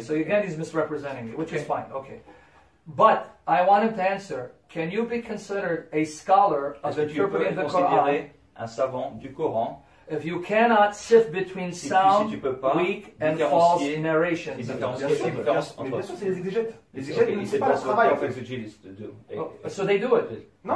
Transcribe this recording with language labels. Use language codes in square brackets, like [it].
[en] So again, he's misrepresenting me, which is fine. Okay. But I want him to answer. Can you be considered a scholar of interpreting the Quran? [fr] Est-ce que tu peux considérer un savant du Coran? [en] If you cannot sift between sound, weak, and false narrations, so they do it.